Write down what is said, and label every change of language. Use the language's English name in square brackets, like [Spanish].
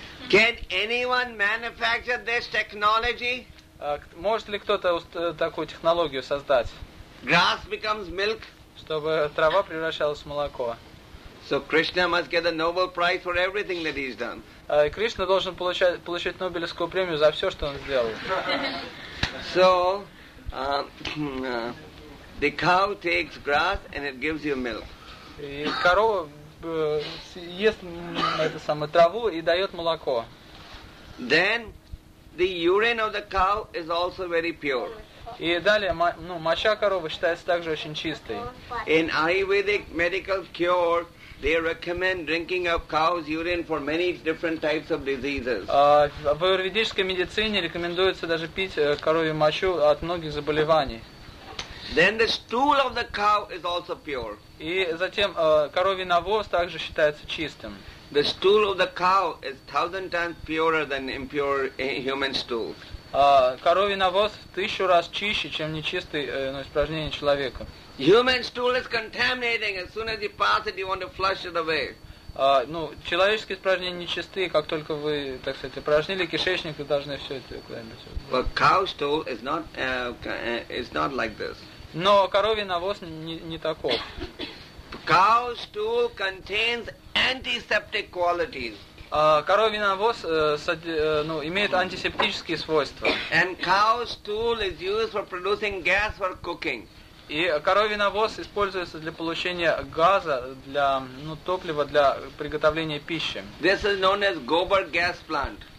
[English] Can anyone manufacture this technology? [Russian] Может ли кто-то такую технологию создать? [English] Grass becomes milk. [Russian] Чтобы трава превращалась в молоко. [English] So Krishna must get a Nobel Prize for everything that he's done. [Russian] Кришна должен получать Нобелевскую премию за все, что он сделал. [English] So the cow takes grass and it gives you milk. [Russian] И корова ест это самое траву и дает молоко. [English] Then the urine of the cow is also very pure. [Russian] И далее, ну, моча коровы считается также очень чистой. [English] In Ayurvedic medical cure, they recommend drinking of cow's urine for many different types of diseases. [Russian] В аюрведической медицине рекомендуется даже пить коровью мочу от многих заболеваний. [English] Then the stool of the cow is also pure. [Russian] И затем коровий навоз также считается чистым. [English] The stool of the cow is 1000 times purer than impure human stool. [Russian] Коровий навоз в 1000 раз чище, чем нечистый испражнение человека. [English] Human stool is contaminating. As soon as you pass it, you want to flush it away. [Russian] Ну, человеческие испражнения нечистые, как только вы, так сказать, упражнили кишечник, вы должны все это куда-нибудь. [English] But cow stool is not like this. [Russian] Но коровий навоз не таков. [English] Cow's stool contains antiseptic qualities. [Russian] Коровий навоз имеет антисептические свойства. [English] And cow's stool is used for producing gas for cooking. [Russian] И коровий навоз используется для получения газа, для топлива для приготовления пищи. [English] This is known as Gobar gas plant.